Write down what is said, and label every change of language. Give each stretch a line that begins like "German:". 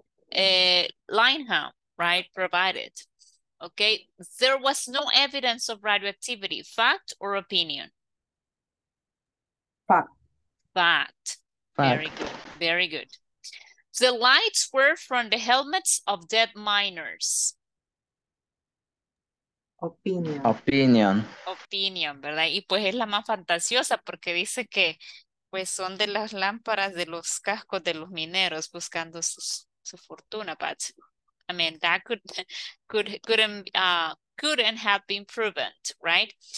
English: Limeham, right, provided. Okay, there was no evidence of radioactivity. Fact or opinion? Fact. Very good. Very good. The lights were from the helmets of dead miners. Opinion,
Spanish: ¿verdad? Y pues es la más fantasiosa porque dice que pues son de las lámparas de los cascos de los mineros buscando sus su fortuna,
English: but I mean that couldn't have been proven, right?